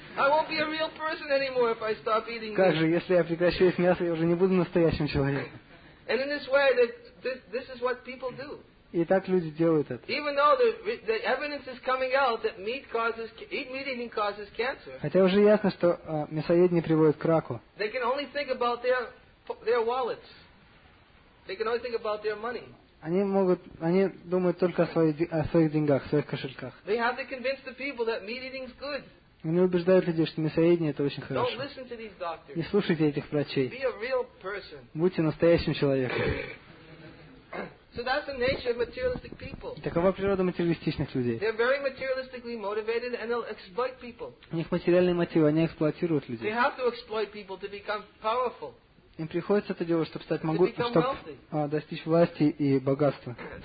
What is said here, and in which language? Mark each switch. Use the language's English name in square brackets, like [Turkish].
[Russian] Как же, если я прекращу есть мясо, я уже не буду настоящим человеком. [English] This is what people do. [Russian] И так люди делают это. [English] Even though the evidence is coming out that meat eating causes cancer. [Russian] Хотя уже ясно, что мясоедение приводит к раку. [English] They can only think about their wallets. They can only think about their money. [Russian] Они думают только о своих деньгах, своих кошельках. [English] They have to convince the people that meat eating is good. [Russian] Они убеждают людей, что мясоедение это очень хорошо. [English] Don't listen to these doctors. [Russian] Не слушайте этих врачей. [English] Be a real person. [Russian] Будьте настоящим человеком. [English] So that's the nature of materialistic people. [Russian] Такова природа материалистичных людей. [English] They're very materialistically motivated and they'll exploit people. [Russian] У них материальные мотивы, они эксплуатируют людей. [English] They have to exploit people to become powerful. [Russian] Им приходится это делать, чтобы стать могучим, чтобы достичь власти и богатства.